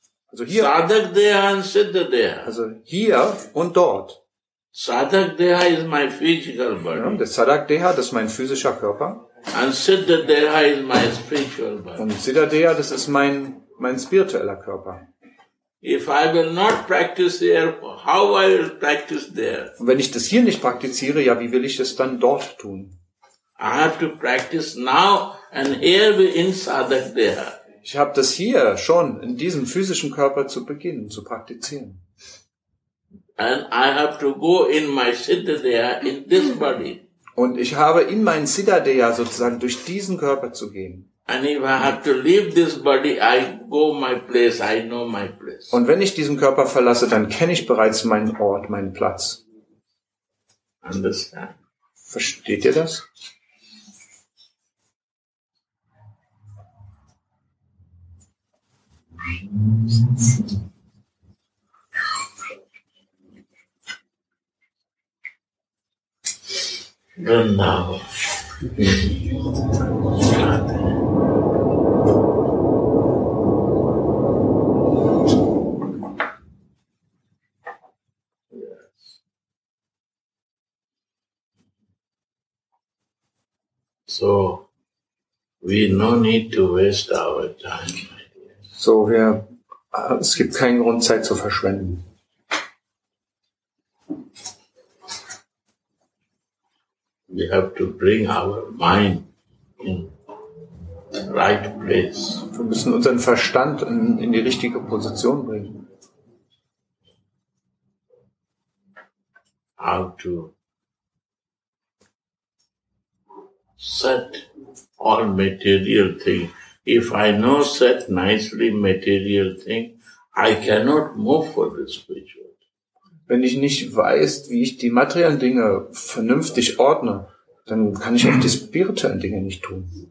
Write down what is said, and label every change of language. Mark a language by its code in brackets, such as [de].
[de] Also hier, [en] Sadak Deha and Siddha Deha. [de] Also hier und dort. [en] Sadak Deha is my physical body. [de] Ja, das Sadak Deha, das ist mein physischer Körper. [en] And Siddha Deha is my spiritual body. [de] Und Siddha Deha, das ist mein spiritueller Körper. [en] If I will not practice here, how I will practice there? [de] Und wenn ich das hier nicht praktiziere, ja, wie will ich es dann dort tun? [en] I have to practice now and here in Sadak Deha. [de] Ich habe das hier schon in diesem physischen Körper zu beginnen, zu praktizieren. [en] And I have to go in my Siddha Deha in this body. [de] Und ich habe in mein Siddha Deha sozusagen durch diesen Körper zu gehen. [en] And if I have to leave this body, I go my place, I know my place. [de] Und wenn ich diesen Körper verlasse, dann kenne ich bereits meinen Ort, meinen Platz. [en] Understand? [de] Versteht ihr das? [en] So, we no need to waste our time. [de] So, es gibt keinen Grund, Zeit zu verschwenden. [en] We have to bring our mind in the right place. [de] Wir müssen unseren Verstand in die richtige Position bringen. [en] How to set all material things. If I know set nicely material thing, I cannot move for the spiritual. [de] Wenn ich nicht weiß, wie ich die materiellen Dinge vernünftig ordne, dann kann ich auch die spirituellen Dinge nicht tun.